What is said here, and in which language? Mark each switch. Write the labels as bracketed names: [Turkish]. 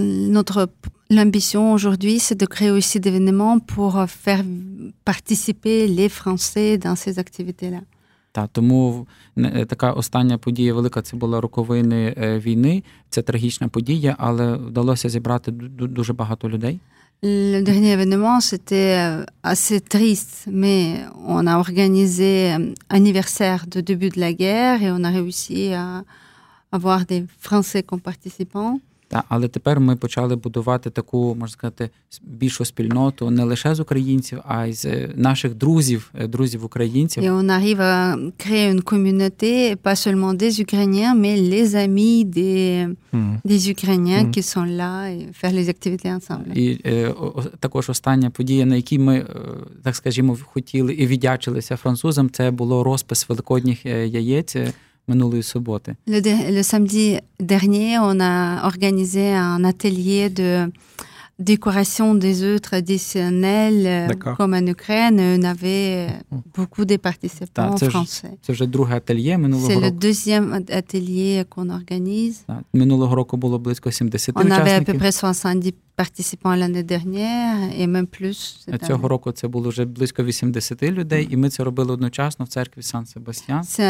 [French] Notre l'ambition aujourd'hui c'est de créer aussi des événements pour faire participer les Français dans ces activités-là. [Ukrainian] Та тому така остання подія велика, це була роковини війни, це трагічна подія, але вдалося зібрати дуже багато людей. [French] Le dernier événement, c'était assez triste, mais on a organisé l'anniversaire de début de la guerre et on a réussi à avoir des Français comme participants. [Ukrainian] Так, але тепер ми почали будувати таку, можна сказати, більшу спільноту не лише з українців, а й з наших друзів українців. [French] Et on arrive à créer une communauté, pas seulement des Ukrainiens, mais les amis des Ukrainiens qui sont là et faire les activités ensemble. [Ukrainian] І також остання подія, на якій ми, так скажімо, хотіли і віддячилися французам, це було розпис великодніх яєць. минулої суботи. [French] Le samedi dernier, on a organisé un atelier de décoration des œufs traditionnels. D'accord. Comme en Ukraine, on avait beaucoup de participants français. [Ukrainian] Це вже друге ательє минулого року. Це другий ательє, [French] qu'on organise. [Ukrainian] Так. Минулого року було близько 70 [French] on [Ukrainian] учасників. [French] On avait à peu près 70 participants l'année dernière et même plus. А цього année. Року це було вже близько 80 людей, mm-hmm. і ми це робили одночасно в церкві Сан-Себастьян.